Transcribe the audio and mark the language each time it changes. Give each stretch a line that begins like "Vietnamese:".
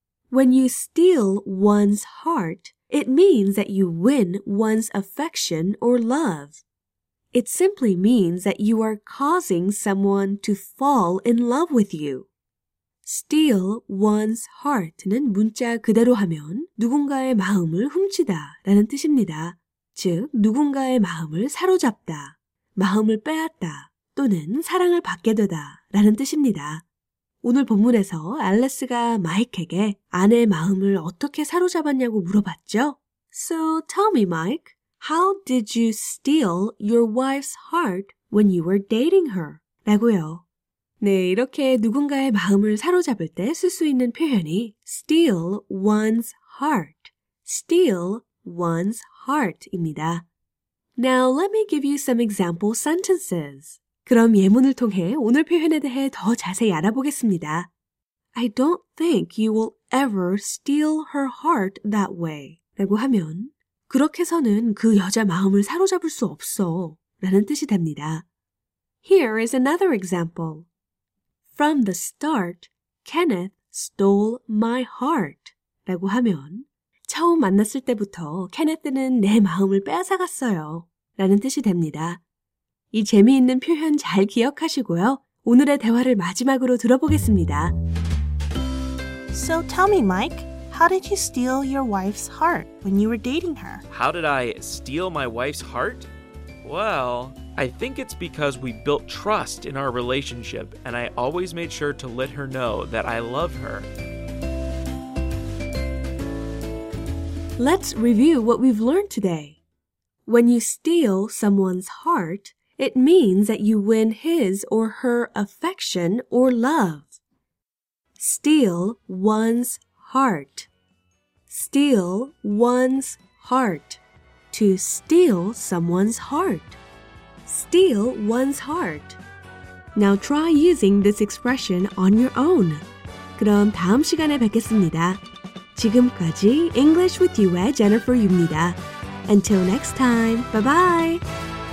English: When you steal one's heart, it means that you win one's affection or love. It simply means that you are causing someone to fall in love with you. Steal one's heart는
Korean: 문자 그대로 하면 누군가의 마음을 훔치다 라는 뜻입니다. 즉, 누군가의 마음을 사로잡다, 마음을 빼앗다 또는 사랑을 받게 되다 라는 뜻입니다. 오늘 본문에서 앨리스가 마이크에게 아내의 마음을 어떻게 사로잡았냐고 물어봤죠.
English: So tell me, Mike, how did you steal your wife's heart when you were dating her?
Korean: 라고요. 네, 이렇게 누군가의 마음을 사로잡을 때 쓸 수 있는 표현이
English: steal one's heart. Steal one's heart입니다. Now let me give you some example sentences.
Korean: 그럼 예문을 통해 오늘 표현에 대해 더 자세히 알아보겠습니다.
English: I don't think you will ever steal her heart that way.
Korean: 라고 하면 그렇게서는 그 여자 마음을 사로잡을 수 없어 라는 뜻이 됩니다.
English: Here is another example. From the start, Kenneth stole my heart.
Korean: 라고 하면 처음 만났을 때부터 케네스는 내 마음을 빼앗아갔어요 라는 뜻이 됩니다. 이 재미있는 표현 잘 기억하시고요. 오늘의 대화를 마지막으로 들어보겠습니다.
English: So tell me, Mike, how did you steal your wife's heart when you were dating her? How did I steal my wife's heart? Well, I think it's because we built trust in our relationship, and I always made sure to let her know that I love her. Let's review what we've learned today. When you steal someone's heart, it means that you win his or her affection or love. Steal one's heart. Steal one's heart. To steal someone's heart. Steal one's heart. Now try using this expression on your own.
Korean: 그럼 다음 시간에 뵙겠습니다. 지금까지 English with You의 Jennifer 유입니다.
English: Until next time, bye-bye!